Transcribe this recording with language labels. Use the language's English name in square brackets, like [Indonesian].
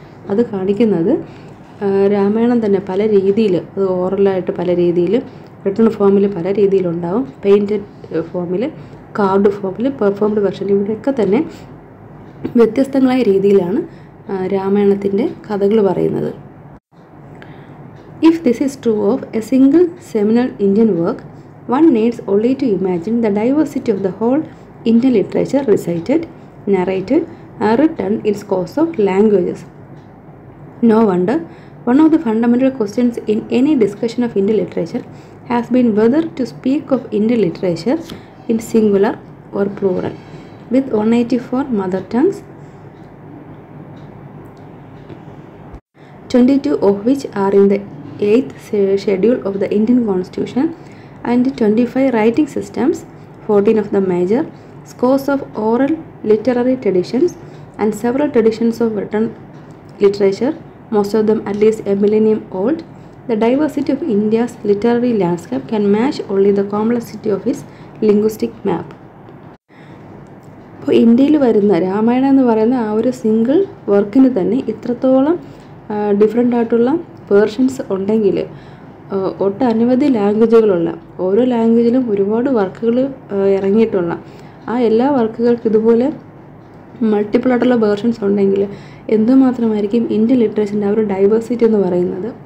[Malayalam] അത് കാണിക്കുന്നത് രാമായണം തന്നെ പല രീതിയിൽ, അത് ഓറലായിട്ട് പല രീതിയിൽ, റിട്ടേൺ ഫോമിൽ പല രീതിയിലുണ്ടാവും, പെയിൻറ്റഡ് ഫോമിൽ, കാർഡ് ഫോമിൽ, പെർഫോംഡ് വേർഷൻ, ഇവിടെയൊക്കെ തന്നെ വ്യത്യസ്തങ്ങളായ രീതിയിലാണ് രാമായണത്തിൻ്റെ കഥകൾ പറയുന്നത്. [English] If this is true of a single seminal Indian work, One needs only to imagine the diversity of the whole Indian literature recited, narrated, and written in scores of languages. No wonder one of the fundamental questions in any discussion of Indian literature has been whether to speak of Indian literature in singular or plural. With 184 mother tongues, 22 of which are in the 8th schedule of the Indian Constitution, and 25 writing systems, 14 of the major scores of oral literary traditions, and several traditions of written literature, most of them at least a millennium old, the diversity of India's literary landscape can match only the complexity of its linguistic map. [Malayalam] ഇന്ത്യയിൽ വരുന്ന രാമായണം എന്ന് പറയുന്ന ആ ഒരു single വർക്കിന് തന്നെ ഇത്രത്തോളം different ആയിട്ടുള്ള വേർഷൻസ് ഉണ്ടെങ്കിൽ ഒട്ടനവധി ലാംഗ്വേജുകളുള്ള ഓരോ ലാംഗ്വേജിലും ഒരുപാട് വർക്കുകൾ ഇറങ്ങിയിട്ടുള്ള ആ എല്ലാ വർക്കുകൾക്കും ഇതുപോലെ മൾട്ടിപ്പിൾ ആയിട്ടുള്ള വേർഷൻസ് ഉണ്ടെങ്കിൽ എന്തുമാത്രമായിരിക്കും ഇന്ത്യൻ ലിറ്ററേച്ചറിൻ്റെ ആ ഒരു ഡൈവേഴ്സിറ്റി എന്ന് പറയുന്നത്.